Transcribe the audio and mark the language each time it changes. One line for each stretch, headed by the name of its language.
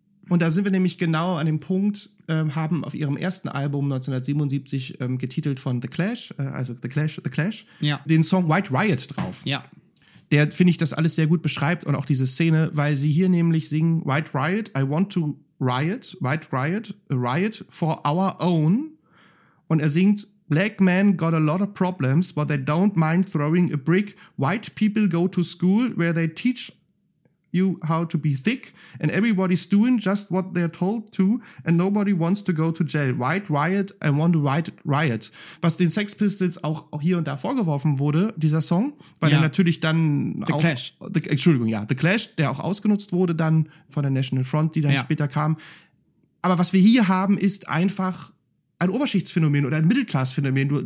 German: Und da sind wir nämlich genau an dem Punkt, haben auf ihrem ersten Album 1977 getitelt von The Clash, also The Clash, den Song White Riot drauf. Ja. Der, finde ich, das alles sehr gut beschreibt und auch diese Szene, weil sie hier nämlich singen
English: White Riot, I want to riot, White Riot, a riot for our own.
German: Und er singt
English: Black men got a lot of problems, but they don't mind throwing a brick. White people go to school where they teach you how to be thick and everybody's doing just what they're told to and nobody wants to go to jail. White riot, I want to white riot.
German: Was den Sex Pistols auch hier und da vorgeworfen wurde, dieser Song, weil er natürlich dann The Clash, der auch ausgenutzt wurde dann von der National Front, die dann später kam. Aber was wir hier haben, ist einfach ein Oberschichtsphänomen oder ein Mittelklassphänomen.